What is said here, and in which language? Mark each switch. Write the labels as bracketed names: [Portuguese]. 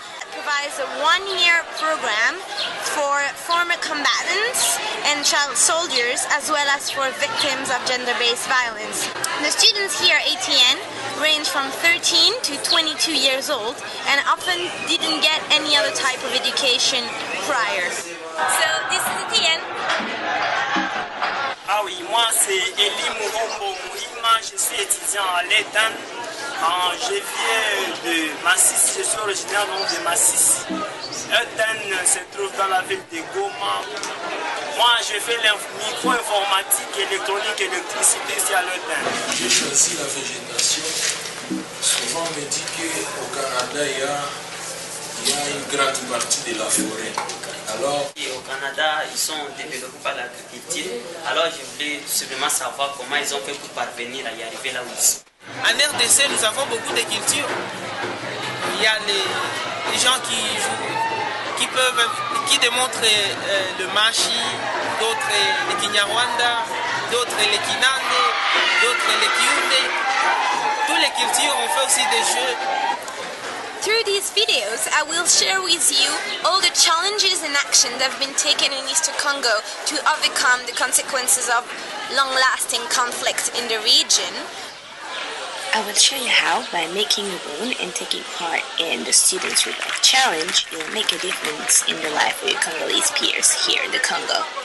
[English] It provides a 1-year program for former combatants and child soldiers, as well as for victims of gender-based violence. The students here at ETN range from 13 to 22 years old and often didn't get any other type of education prior. So this is ETN. [French] Ah oui, moi c'est Elie Mouhombo Mouhima, je suis étudiant à l'ETN. Je viens de Massis, je suis originaire donc de Massis. ETN se trouve dans la ville de Goma. Moi je fais la micro-informatique, électronique, électricité ici à l'ETN. J'ai choisi la végétation. Souvent on me dit qu'au Canada il y a une grande partie de la forêt. Au Canada, ils sont développés par l'agriculture. Alors, je voulais tout simplement savoir comment ils ont fait pour parvenir à y arriver là où ils sont. En RDC, nous avons beaucoup de cultures. Il y a les gens qui jouent, qui démontrent le Machi, d'autres les Kinyarwanda, d'autres les Kinande, d'autres les Kiyunde. Toutes les cultures ont fait aussi des jeux. [English] Through these videos, I will share with you all the challenges and actions that have been taken in Eastern Congo to overcome the consequences of long-lasting conflict in the region. I will show you how, by making your own and taking part in the Students Rebuild Challenge, you will make a difference in the life of your Congolese peers here in the Congo.